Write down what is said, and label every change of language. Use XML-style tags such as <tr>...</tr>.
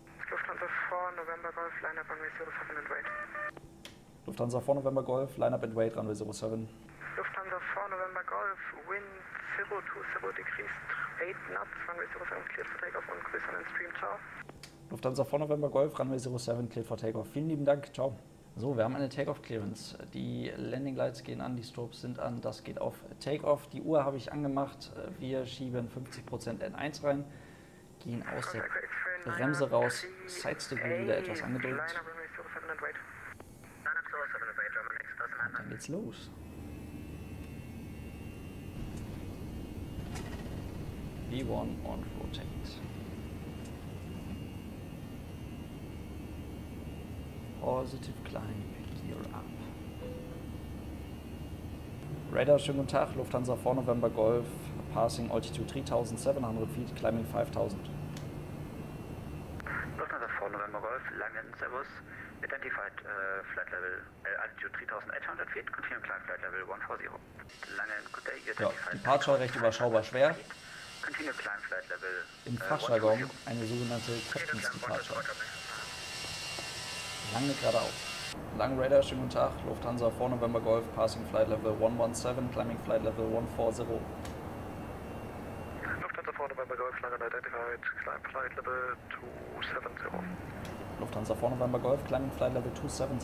<en>Lufthansa 4 November Golf, Line up Runway 07 and wait. Lufthansa 4 November Golf, line up and wait, runway 07. Lufthansa 4 November Golf, wind 020 degrees, 8 knots, runway 07, clear for takeoff</en> <de>und grüß an den Stream, ciao.</de> <en>Lufthansa 4 November Golf, runway 07, clear for takeoff.</en> <de>Vielen lieben Dank, ciao. So, wir haben eine Takeoff Clearance. Die Landing Lights gehen an, die Strobes sind an, das geht auf Takeoff. Die Uhr habe ich angemacht, wir schieben 50% N1 rein, gehen aus der Bremse raus, Sidestep wieder etwas angedrückt. Und dann geht's los.</de> <en>V1 on rotate. Positive climb, gear up. Radar,</en> <de>schönen guten Tag.</de> <en>Lufthansa 4 November Golf, passing altitude 3700 feet, climbing 5000. Lufthansa 4 November Golf, langen Servus. Identified flight level altitude 3800 feet, continue climb flight level 140. Langen, good day,</en> <de>identified. Ja, Departure recht überschaubar schwer.</de> <en>Continue climb flight level.</en> <de>Im Fachjargon eine sogenannte Captain's Departure. Lange geradeaus. Lang Radar, schönen guten Tag.</de> <en>Lufthansa 4 November Golf, passing flight level 117, climbing flight level 140. Lufthansa 4 November Golf, langen identified, climb flight level 270. Lufthansa 4 November Golf, climbing flight level 270.</en>